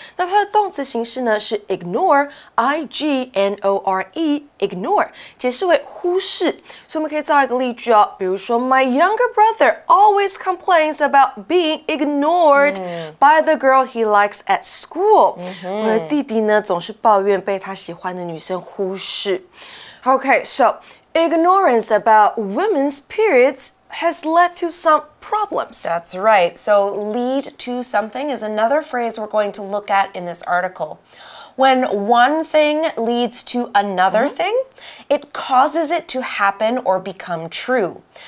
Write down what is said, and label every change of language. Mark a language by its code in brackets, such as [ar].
[zh] 那它的动词形式呢是 ignore, I-G-N-O-R-E, ignore, 解释为忽视。所以我们可以造一个例句哦，比如说 [en] My younger brother always complains about being ignored、mm. by the girl he likes at school.、Mm-hmm. [zh] 我的弟弟呢总是抱怨被他喜欢的女生忽视。 [en] Okay, so... Ignorance about women's periods has led to some problems. That's right. So lead to something is another phrase we're going to look at in this article. When one thing leads to another mm-hmm. thing, it causes it to happen or become true.